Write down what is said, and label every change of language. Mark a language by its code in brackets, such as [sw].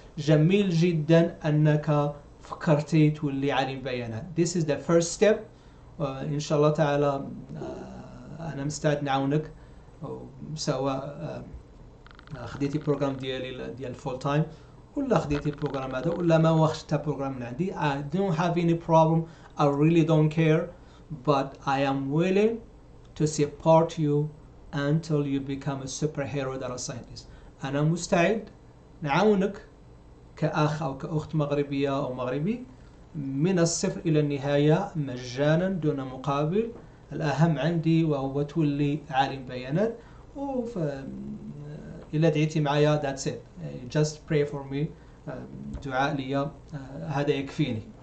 [ar] جميل جدا انك فكرتي تولي عالم بيانات. [en] This is the first step. [ar] إن شاء الله تعالى أنا مستعد نعاونك، سواء خديتي البروجرام ديال الفول تايم ولا خديتي البروجرام هذا ولا ما واخدش حتى بروجرام من عندي. [en] I don't have any problem. I really don't care. But I am willing to support you until you become a superhero data scientist. [ar] أنا مستعد نعاونك كأخ أو كأخت مغربية أو مغربي من الصفر إلى النهاية مجانا دون مقابل. الأهم عندي وهو تولي عالم بيانات. وف إلا دعيتي معايا [en] that's it, just pray for me, [ar] دعاء لي, هذا يكفيني.